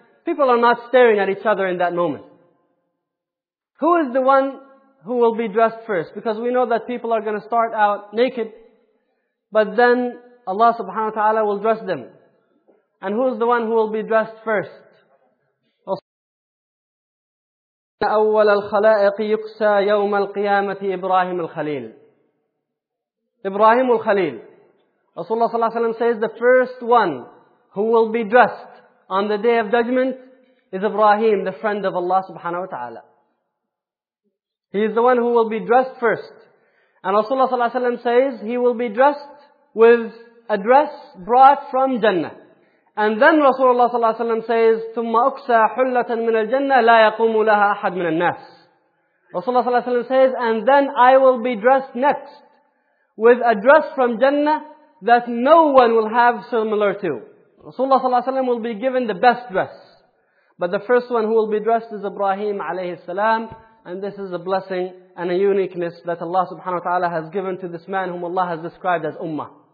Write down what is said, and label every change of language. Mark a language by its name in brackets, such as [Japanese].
[English] People are not staring at each other in that moment. Who is the one who will be dressed first? Because we know that people are going to start out naked, but then Allah subhanahu wa ta'ala will dress them. And who is the one who will be dressed first? [Arabic] أول الخلائق يكسى يوم القيامة إبراهيم الخليل. [English] إبراهيم الخليل. Rasulullah sallallahu alayhi wa sallam says, the first one who will be dressed on the Day of Judgment is Ibrahim, the friend of Allah subhanahu wa ta'ala. He is the one who will be dressed first. And Rasulullah sallallahu alayhi wa sallam says, he will be dressed with a dress brought from Jannah. And then [Arabic] Rasulullah صلى الله عليه وسلم says, ثم أكسى حلة من الجنة لا يقوم لها أحد من الناس. [English] Rasulullah صلى الله عليه وسلم says, and then I will be dressed next with a dress from Jannah that no one will have similar to. Rasulullah صلى الله عليه وسلم will be given the best dress. But the first one who will be dressed is Ibrahim عليه السلام. And this is a blessing and a uniqueness that Allah subhanahu wa ta'ala has given to this man whom Allah has described as Ummah.